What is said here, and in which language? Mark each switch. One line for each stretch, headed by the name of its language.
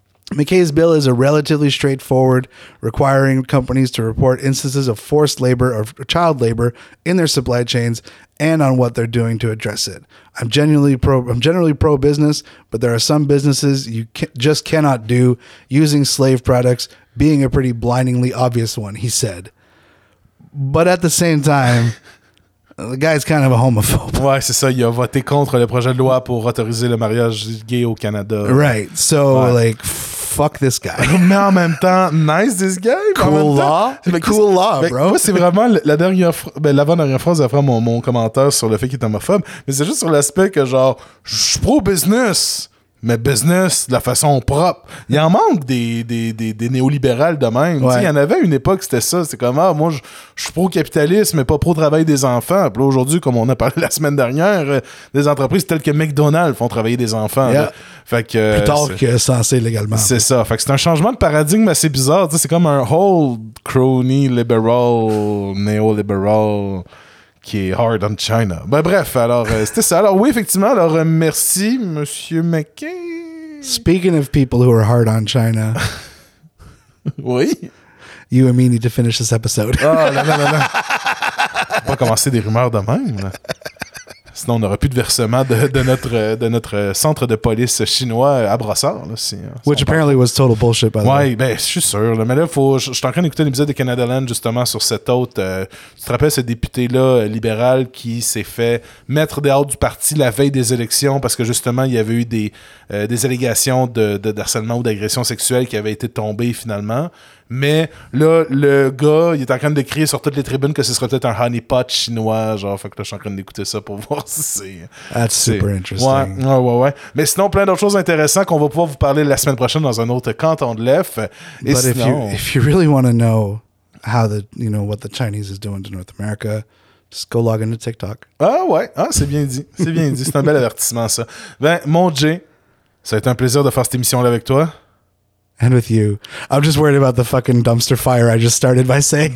English: McKay's bill is a relatively straightforward, requiring companies to report instances of forced labor or child labor in their supply chains and on what they're doing to address it. I'm generally pro business, but there are some businesses you just cannot do, using slave products being a pretty blindingly obvious one, he said. But at the same time, the guy's kind of a homophobe.
French: Ouais, c'est ça. Il a voté contre le projet de loi pour autoriser le mariage gay au Canada.
English: Right. So,
French: ouais.
English: Like, fuck this guy.
French: Mais en même temps,
English: nice this guy. Cool law.
French: Temps,
English: cool law, bro.
French: Ouais, c'est vraiment l'avant-dernière phrase après mon commentaire sur le fait qu'il est homophobe. Mais c'est juste sur l'aspect que, genre, je suis pro-business. Mais business, de la façon propre. Il en manque des néolibérales de même. Ouais. Il y en avait à une époque, c'était ça. C'est comme, ah, moi, je suis pro-capitalisme, mais pas pro-travail des enfants. Puis là, aujourd'hui, comme on a parlé la semaine dernière, des entreprises telles que McDonald's font travailler des enfants.
English: Yeah.
French: Fait que, plus tard que censé légalement. C'est ça. Fait que c'est un changement de paradigme assez bizarre. T'sais, c'est comme un
English: whole crony liberal,
French: néolibéral. Qui est
English: hard on China.
French: Ben bref, alors c'était ça. Alors oui, effectivement. Alors merci, Monsieur McKay.
English: Speaking of people who are hard on China.
French: Oui.
English: You and me need to finish this episode.
French: Oh là là là là. On va commencer des rumeurs de même. Là. Sinon, on n'aura plus de versement de notre centre de police chinois à Brossard. Là, si,
English: which apparently was total bullshit, by the way.
French: Oui, ben, je suis sûr. Là. Mais là, je suis en train d'écouter l'épisode de Canada Land justement sur cet autre. Tu te rappelles ce député-là libéral qui s'est fait mettre dehors du parti la veille des élections parce que justement, il y avait eu des allégations de harcèlement ou d'agression sexuelle qui avaient été tombées finalement. Mais là, le gars, il est en train de crier sur toutes les tribunes que ce serait peut-être un honeypot chinois. Genre, fait que là, je suis en train d'écouter ça pour voir si c'est.
English: That's super interesting.
French: Ouais, ouais, ouais, ouais. Mais sinon, plein d'autres choses intéressantes qu'on va pouvoir vous parler la semaine prochaine dans un autre canton de l'EF. Et
English: but
French: sinon,
English: if you really want to know how the, you know, what the Chinese is doing to North America, just go log into TikTok.
French: Ah ouais, ah, c'est bien dit. C'est bien dit. C'est un bel avertissement, ça. Ben, mon Jay, ça a été un plaisir de faire cette émission-là avec toi.
English: And with you. I'm just worried about the fucking dumpster fire I just started by saying.